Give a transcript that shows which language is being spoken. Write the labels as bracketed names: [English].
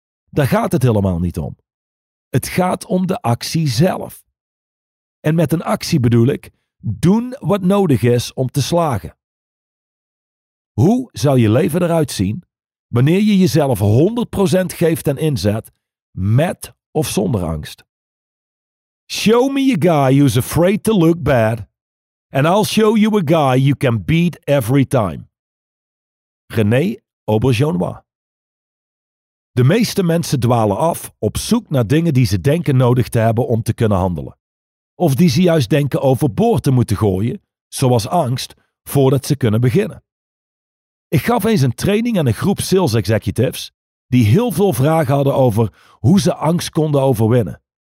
[Dutch] Daar gaat het helemaal niet om. Het gaat om de actie zelf. En met een actie bedoel ik, doen wat nodig is om te slagen. Hoe zou je leven eruit zien wanneer je jezelf 100% geeft en inzet, met of zonder angst? [English] Show me a guy who's afraid to look bad, and I'll show you a guy you can beat every time. René Auberjonois. [Dutch] De meeste mensen dwalen af op zoek naar dingen die ze denken nodig te hebben om te kunnen handelen. Of die ze juist denken overboord te moeten gooien, zoals angst, voordat ze kunnen beginnen. Ik gaf eens een training aan een groep sales executives die heel veel vragen hadden over hoe ze angst konden overwinnen.